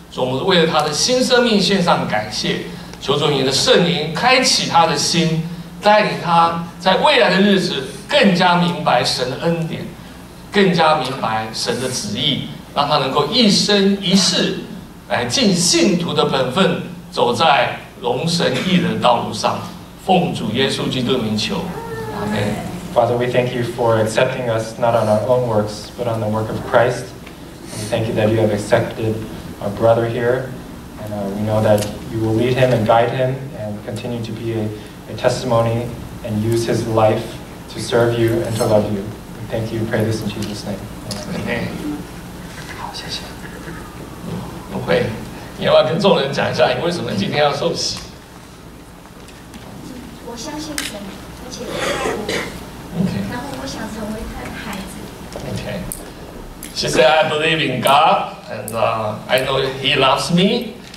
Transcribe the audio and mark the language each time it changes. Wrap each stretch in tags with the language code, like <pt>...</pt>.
<zh>主我们为了他的新生命献上感谢。求主你的圣灵开启他的心，带领他在未来的日子更加明白神的恩典，更加明白神的旨意，让他能够一生一世来尽信徒的本分，走在荣神义人道路上。奉主耶稣基督的名求，阿门。</zh> <en>Father, we thank you for accepting us not on our own works, but on the work of Christ. We thank you that you have accepted our brother here. We know that you will lead him and guide him and continue to be a testimony and use his life to serve you and to love you. We thank you. Pray this in Jesus' name. Amen. Amen.</en> <zh>好，谢谢。 Okay. 你要不要跟众人讲一下你为什么今天要受洗？我相信神，而且爱我。</zh> <en>Okay.</en> <zh>然后我想成为他的孩子。</zh> <en>Okay. She said, I believe in God and I know he loves me.</en>